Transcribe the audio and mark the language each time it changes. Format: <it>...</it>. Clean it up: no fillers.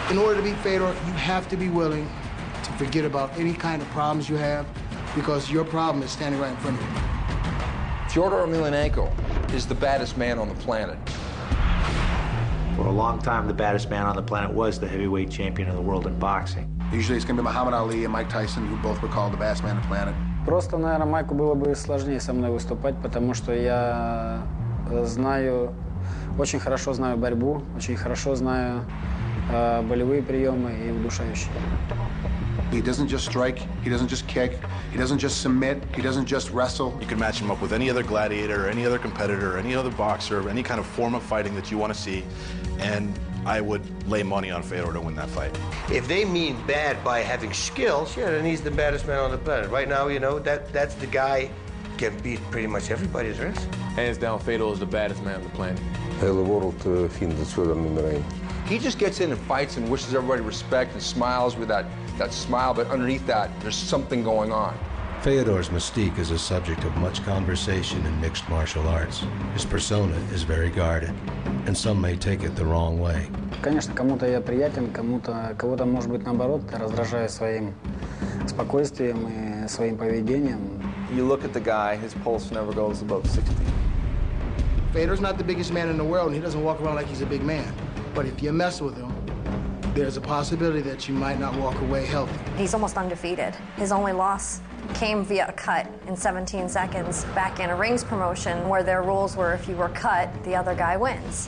<en>In order to beat Fedor, you have to be willing to forget about any kind of problems you have, because your problem is standing right in front of you. Fedor Emelianenko is the baddest man on the planet. For a long time, the baddest man on the planet was the heavyweight champion of the world in boxing. Usually it's going to be Muhammad Ali and Mike Tyson, who both were called the baddest man on the planet.</en> <ru>Просто, наверное, Майку было бы сложнее со мной выступать, потому что я знаю, очень хорошо знаю борьбу, очень хорошо знаю болевые приемы и удушающие.</ru> <en>He doesn't just strike, he doesn't just kick, he doesn't just submit, he doesn't just wrestle. You can match him up with any other gladiator, any other competitor, any other boxer, any kind of form of fighting that you want to see, and I would lay money on Fedor to win that fight. If they mean bad by having skills, yeah, then he's the baddest man on the planet. Right now, you know, that's the guy can beat pretty much everybody, right? Hands down, Fedor is the baddest man on the planet.</en> <nl>Hele wereld vindt het Fedor nummer 1.</nl> <en>He just gets in and fights and wishes everybody respect and smiles with that smile, but underneath that, there's something going on. Fedor's mystique is a subject of much conversation in mixed martial arts. His persona is very guarded, and some may take it the wrong way.</en> <ru>Конечно, кому-то я приятен, кого-то может быть наоборот, раздражаю своим спокойствием и своим поведением.</ru> <en>You look at the guy, his pulse never goes above 60. Fedor's not the biggest man in the world, and he doesn't walk around like he's a big man. But if you mess with him, there's a possibility that you might not walk away healthy. He's almost undefeated. His only loss came via a cut in 17 seconds back in a rings promotion where their rules were if you were cut, the other guy wins.</en>